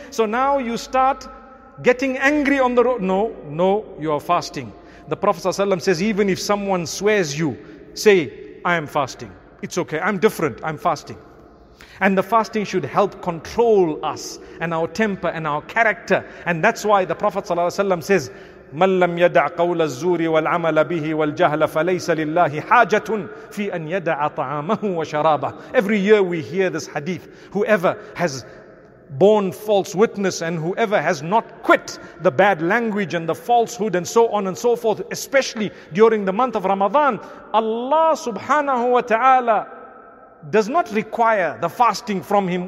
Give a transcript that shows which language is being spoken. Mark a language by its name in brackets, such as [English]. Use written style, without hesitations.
[English] So now you start getting angry on the road. No, you are fasting. The Prophet ﷺ says, even if someone swears you, say, I am fasting. It's okay, I'm different, I'm fasting. And the fasting should help control us and our temper and our character. [Arabic] And that's why the Prophet ﷺ says, مَنْ لَمْ يَدَعْ قَوْلَ الزُّورِ وَالْعَمَلَ بِهِ وَالْجَهْلَ فَلَيْسَ لِلَّهِ حَاجَةٌ فِي أَنْ يَدَعَ طَعَامَهُ وَشَرَابَهُ. [English] Every year we hear this hadith. Whoever has borne false witness and whoever has not quit the bad language and the falsehood and so on and so forth, especially during the month of Ramadan, Allah subhanahu wa ta'ala does not require the fasting from him.